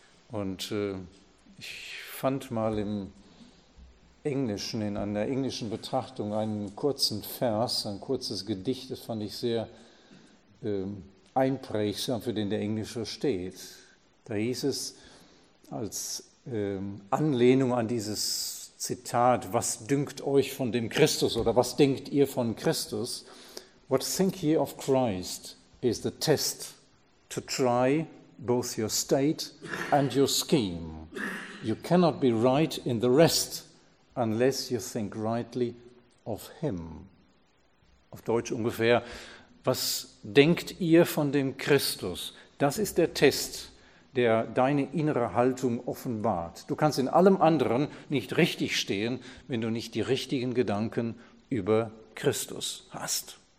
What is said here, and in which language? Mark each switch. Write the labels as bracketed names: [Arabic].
[German] Und ich fand mal im Englischen, in einer englischen Betrachtung, einen kurzen Vers, ein kurzes Gedicht, das fand ich sehr einprägsam, für den der Englische steht. Da hieß es als Anlehnung an dieses Zitat, was dünkt euch von dem Christus oder was denkt ihr von Christus? [English] What think ye of Christ is the test to try both your state and your scheme. You cannot be right in the rest unless you think rightly of him. [German] Auf Deutsch ungefähr, was denkt ihr von dem Christus? Das ist der Test, der deine innere Haltung offenbart. Du kannst in allem anderen nicht richtig stehen, wenn du nicht die richtigen Gedanken über Christus hast.